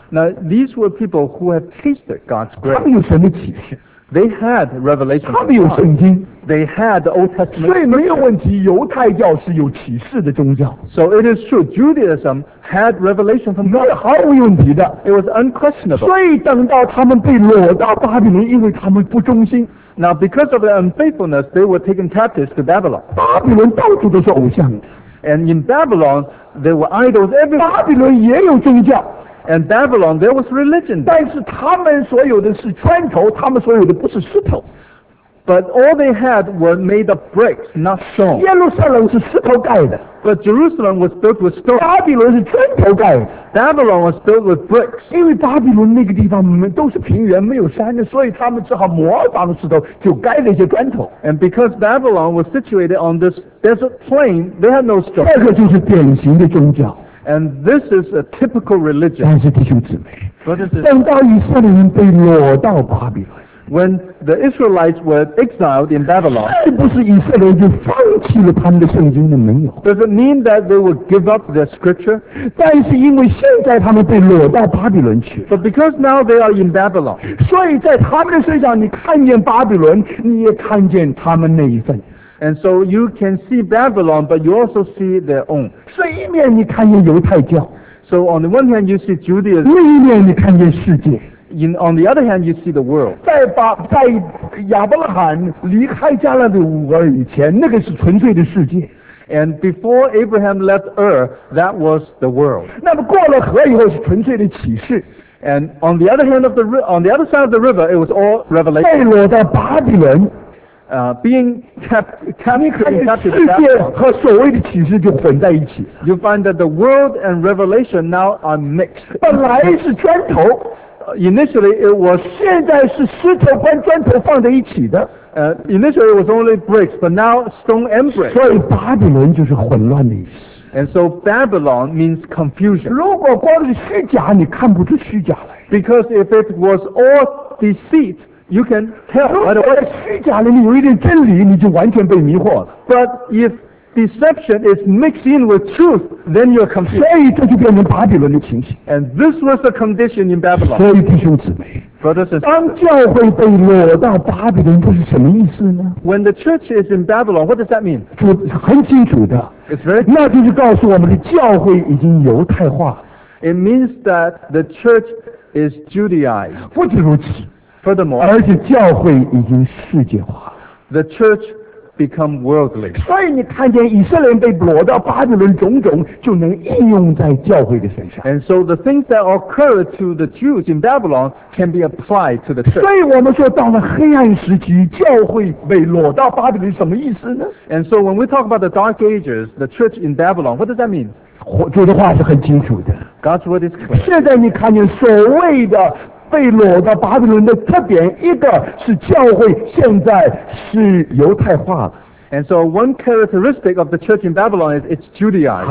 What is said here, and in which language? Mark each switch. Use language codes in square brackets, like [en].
[en] Now these were people who have tasted God's grace. [zh] 他们有什么启示？ [en] They had revelation. [zh] 他们有圣经。 [en] They had the Old Testament. [zh] 所以没有问题，犹太教是有启示的宗教。 [en] So it is true, Judaism had revelation from God. [zh] 那毫无问题的。 [en] It was unquestionable. [zh] 所以等到他们被掳到巴比伦，因为他们不忠心。 [en] Now because of their unfaithfulness, they were taken captive to Babylon. [zh] 巴比伦到处都是偶像。 [en] And in Babylon, there were idols everywhere. [zh] 巴比伦也有宗教。 [en] And Babylon, there was religion. [zh] 但是他们所有的是砖头，他们所有的不是石头。 [en] But all they had were made of bricks, not stone. [zh] 耶路撒冷是石头盖的。 [en] But Jerusalem was built with stone. [zh] 巴比伦是砖头盖的。 [en] Babylon was built with bricks. [zh] 因为巴比伦那个地方都是平原，没有山的，所以他们只好模仿的石头，就盖了一些砖头。 [en] And because Babylon was situated on this desert plain, they had no stone. [zh] 这个就是典型的宗教。 [en] And this is a typical religion. [zh] 但是弟兄姊妹，等到以色列人被掳到巴比伦 [en] ，When the Israelites were exiled in Babylon， [zh] 是不是以色列人就放弃了他们的圣经呢？没有。 [en] Does it mean that they would give up their scripture？ [zh] 但是因为现在他们被掳到巴比伦去 [en] ，But because now they are in Babylon， [zh] 所以在他们的身上，你看见巴比伦，你也看见他们那一份。 [en] And so you can see Babylon, but you also see their own. [zh] 所以一面你看见犹太教 [en] ，So on the one hand you see Judaism. [zh] 另一面你看见世界 [en] On the other hand you see the world. [zh] 在亚伯拉罕离开迦南地以前，那个是纯粹的世界。 [en] And before Abraham left Ur, that was the world. [zh] 那么过了河以后是纯粹的启示。 [en] And on the other hand of the on the other side of the river, it was all revelation. [zh] 被掳到巴比伦。 [en] Being captured, [zh] 世界和所谓的启示就混在一起。 [en] You find that the world and revelation now are mixed. [zh] 本来是砖头 [en] ，initially it was. [zh] 现在是石头跟砖头放在一起的。 [en] Initially it was only bricks, but now stone and bricks. [zh] 所以巴比伦就是混乱的意思。 [en] And so Babylon means confusion. [zh] 如果光是虚假，你看不出虚假来。 [en] Because if it was all deceit. You can tell. [zh] 如果在虚假里面有一点真理，你就完全被迷惑了。 [en] But if deception is mixed in with truth, then you're confused. [zh] 所以这就变成巴比伦的情形。 [en] And this was the condition in Babylon. [zh] 所以弟兄姊妹 [en] ，Brothers and sisters, [zh] 当教会被掳到巴比伦，这是什么意思呢 [en] ？When the church is in Babylon, what does that mean? [zh] 主很清楚的 [en] ，It's very. [zh] 那就是告诉我们的教会已经犹太化。 [en] It means that the church is Judaized. [zh] 不止如此。 [en] Furthermore, [zh] 而且教会已经世界化了。 [en] The church become worldly. [zh] 所以你看见以色列人被掳到巴比伦种种，就能应用在教会的身上。 [en] And so the things that occur to the Jews in Babylon can be applied to the church. [zh] 所以我们说到了黑暗时期，教会被掳到巴比伦什么意思呢？ [en] And so when we talk about the Dark Ages, the church in Babylon, what does that mean? [zh] 主的话是很清楚的。 [en] God's word is clear. [zh] 现在你看见所谓的被掳到巴比伦的特点，一个是教会现在是犹太化了。 [en] And so one characteristic of the church in Babylon is it's Judaized.